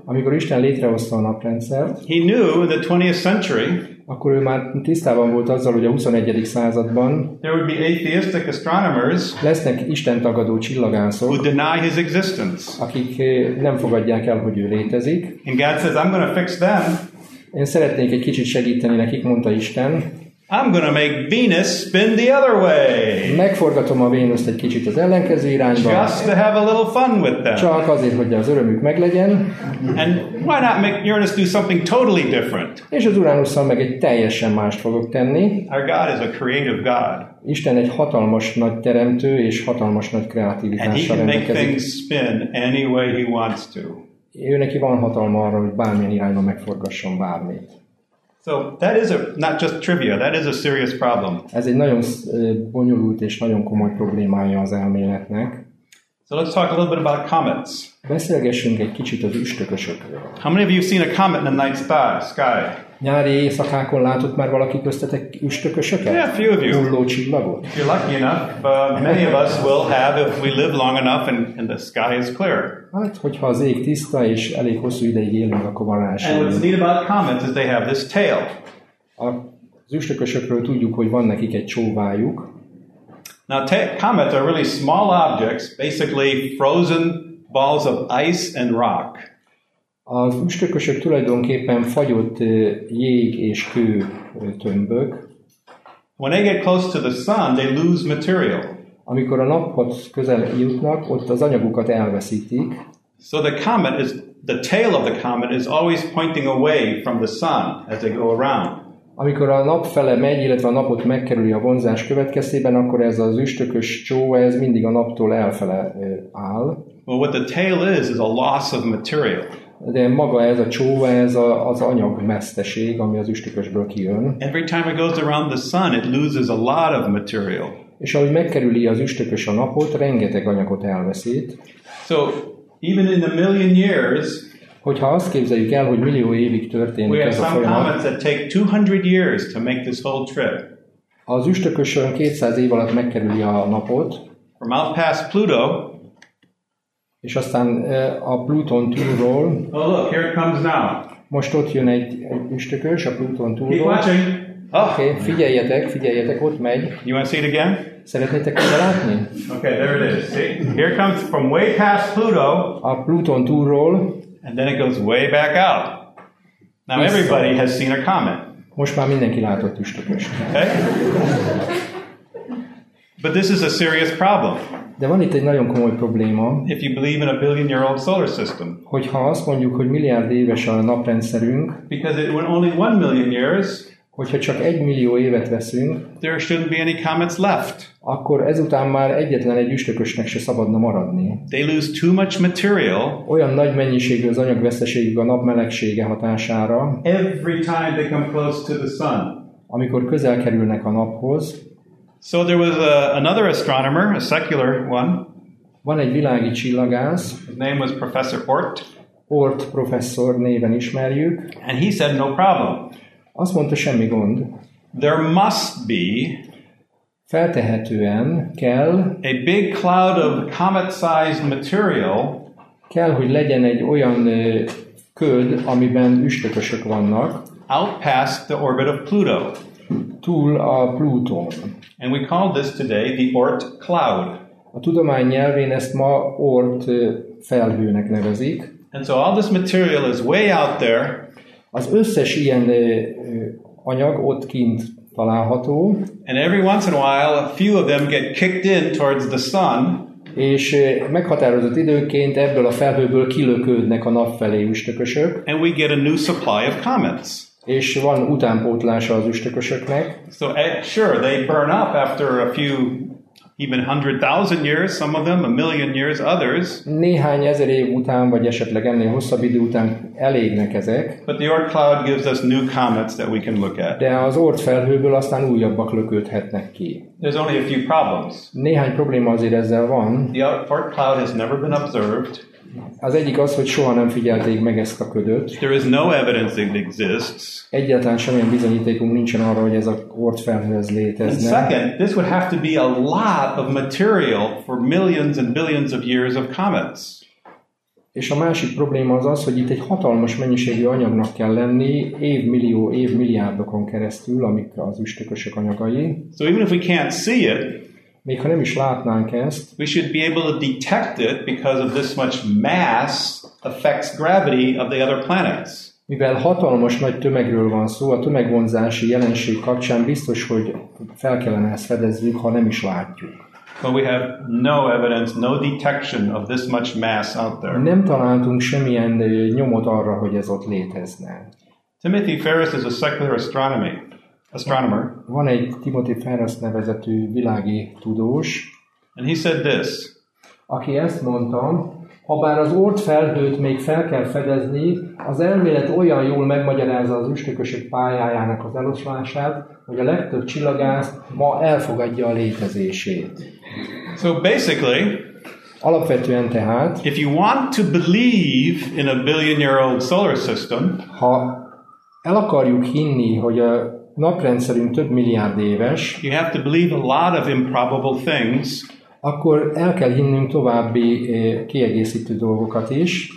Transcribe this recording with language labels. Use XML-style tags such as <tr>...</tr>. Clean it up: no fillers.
<hu>amikor Isten létrehozta a naprendszert,</hu> <en>he knew in the 20th century,</en> <hu>akkor ő már tisztában volt azzal, hogy a 21. században</hu> <en>there would be atheistic astronomers,</en> <hu>lesznek Isten tagadó csillagászok,</hu> <en>who deny his existence,</en> <hu>akik nem fogadják el, hogy ő létezik.</hu> <en>And God says, I'm going to fix them.</en> <hu>Én szeretnék egy kicsit segíteni nekik, mondta Isten.</hu> <en>I'm going to make Venus spin the other way.</en> <hu>Megforgatom a Vénuszt egy kicsit az ellenkező irányba.</hu> <en>Just to have a little fun with them.</en> <hu>Csak azért, hogy az örömük meglegyen.</hu> <en>And why not make Uranus do something totally different?</en> <hu>És az Uranusszal meg egy teljesen mást fogok tenni.</hu> <en>Our God is a creative God.</en> <hu>Isten egy hatalmas nagy teremtő és hatalmas nagy kreativitással rendelkezik.</hu> <en>And he can make things spin any way he wants to.</en> <hu>Ő neki van hatalma arra, hogy bármilyen irányba megforgasson bármit.</hu> <en>So that is a not just trivia, that is a serious problem.</en> <hu>Ez egy nagyon bonyolult és nagyon komoly problémája az elméletnek.</hu> <en>So let's talk a little bit about comets.</en> <hu>Beszélgessünk egy kicsit az üstökösökről.</hu> <en>How many of you have seen a comet in the night sky?</en> <hu>Nyári éjszakákon látott már valaki köztetek üstökösöket?</hu> <en>Yeah, a few of you.</en> <hu>Hulló csillagot.</hu> <en>If you're lucky enough, many of us will have if we live long enough and the sky is clear.</en> <hu>Hát, hogyha az ég tiszta és elég hosszú ideig élünk, akkor van rá esélyünk.</hu> <en>And what's neat about comets is they have this tail.</en> <hu>Az üstökösökről tudjuk, hogy van nekik egy csóvájuk.</hu> <en>Now, comets are really small objects, basically frozen balls of ice and rock.</en> <hu>Az üstökösök tulajdonképpen fagyott jég és kő tömbök.</hu> <en>When they get close to the sun, they lose material.</en> <hu>Amikor a naphoz közel jutnak, ott az anyagukat elveszítik.</hu> <en>So the comet is the tail of the comet is always pointing away from the sun as they go around.</en> <hu>Amikor a nap fele megy, illetve a napot megkerüli a vonzás következtében, akkor ez az üstökös csó, ez mindig a naptól elfele áll.</hu> <en>Well, what the tail is a loss of material.</en> <hu>De maga ez a csóva, ez az anyag meszteség, ami az üstökösből kijön.</hu> <en>Every time it goes around the sun, it loses a lot of material.</en> <hu>És ahogy megkerüli az üstökös a napot, rengeteg anyagot elveszít.</hu> <en>So, even in a million years,</en> <hu>hogyha azt képzeljük el, hogy millió évig történik ez a folyamat,</hu> <en>we have some comets that take 200 years to make this whole trip.</en> <hu>Az üstökös 200 év alatt megkerüli a napot.</hu> <en>From out past Pluto,</en> <hu>és aztán a Pluton túlról.</hu> <en>Oh, look, here it comes now.</en> <hu>Most ott jön egy üstökös a Pluton túlról.</hu> <en>Keep watching. Oh.</en> <hu>Okay, figyeljetek, ott megy.</hu> <en>You want to see it again?</en> <hu>Szeretnétek oda látni?</hu> <en>Okay, there it is. See? Here it comes from way past Pluto.</en> <hu>A Pluton túlról.</hu> <en>And then it goes way back out. Now everybody has seen a comet.</en> <hu>Most már mindenki látott üstököst.</hu> <en>Okay? But this is a serious problem.</en> <hu>De van itt egy nagyon komoly probléma.</hu> <en>If you believe in a billion-year-old solar system.</en> <hu>Hogyha azt mondjuk, hogy milliárd éves a naprendszerünk.</hu> <en>Because it went only 1 million years.</en> <hu>Hogyha csak 1 millió évet veszünk.</hu> <en>There shouldn't be any comets left.</en> <hu>Akkor ezután már egyetlen egy üstökösnek se szabadna maradni.</hu> <en>They lose too much material.</en> <hu>Olyan nagy mennyiségű az anyagveszteségük a nap melegsége hatására.</hu> <en>Every time they come close to the sun.</en> <hu>Amikor közel kerülnek a naphoz.</hu> <en>So there was another astronomer, a secular one.</en> <hu>Van egy világi csillagász.</hu> <en>His name was Professor Oort.</en> <hu>Oort professzor néven ismerjük.</hu> <en>And he said no problem.</en> <hu>Azt mondta, semmi gond.</hu> <en>There must be</en> <hu>feltehetően kell</hu> <en>a big cloud of comet-sized material.</en> <hu>Kell, hogy legyen egy olyan köd, amiben üstökösök vannak.</hu> <en>Out past the orbit of Pluto.</en> <hu>Túl a Pluton.</hu> <en>And we call this today the Oort cloud.</en> <hu>A tudomány nyelvén ezt ma Oort felhőnek nevezik.</hu> <en>And so all this material is way out there.</en> <hu>Az összes ilyen anyag ott kint található.</hu> <en>And every once in a while a few of them get kicked in towards the sun.</en> <hu>És meghatározott időként ebből a felhőből kilökődnek a nap felé üstökösök.</hu> <en>And we get a new supply of comets.</en> <hu>És van utánpótlása az üstökösöknek.</hu> <en>So sure, they burn up after a few, even 100,000 years, some of them, a million years, others.</en> <hu>Néhány ezer év után, vagy esetleg ennél hosszabb idő után elégnek ezek.</hu> <en>But the Oort cloud gives us new comets that we can look at.</en> <hu>De az Oort felhőből aztán újabbak löködhetnek ki.</hu> <en>There's only a few problems.</en> <hu>Néhány probléma azért ezzel van.</hu> <en>The Oort cloud has never been observed.</en> <hu>Az egyik az, hogy soha nem figyelték meg ezt a ködöt.</hu> <en>There is no evidence it exists.</en> <hu>Egyáltalán semmilyen bizonyítékunk nincsen arra, hogy ez a Oort felhőz létezne.</hu> <en>And second, this would have to be a lot of material for millions and billions of years of comets.</en> <hu>És a másik probléma az az, hogy itt egy hatalmas mennyiségű anyagnak kell lenni évmillió, évmilliárdokon keresztül, amik az üstökösök anyagai.</hu> <en>So even if we can't see it,</en> <hu>még ha nem is látnánk ezt,</hu> <en>we should be able to detect it because of this much mass affects gravity of the other planets.</en> <hu>Mivel hatalmas nagy tömegről van szó, a tömegvonzási jelenség kapcsán biztos, hogy fel kellene ezt fedezzük, ha nem is látjuk.</hu> <en>But we have no evidence, no detection of this much mass out there.</en> <hu>Nem találtunk semmilyen nyomot arra, hogy ez ott létezne.</hu> <en>Timothy Ferris is a secular astronomy. Astronomer.</en> <hu>Van egy Timothy Ferris nevezetű világi tudós.</hu> <en>And he said this.</en> <hu>Aki ezt mondta, ha bár az Oort felhőt még fel kell fedezni, az elmélet olyan jól megmagyarázza az üstökösök pályájának az eloszlását, hogy a legtöbb csillagász ma elfogadja a létezését.</hu> <en>So basically,</en> <hu>alapvetően tehát,</hu> <en>if you want to believe in a billion-year-old solar system,</en> <hu>ha el akarjuk hinni, hogy a naprendszerünk több milliárd éves,</hu> <en>you have to believe a lot of improbable things,</en> <hu>akkor el kell hinnünk további kiegészítő dolgokat is,</hu>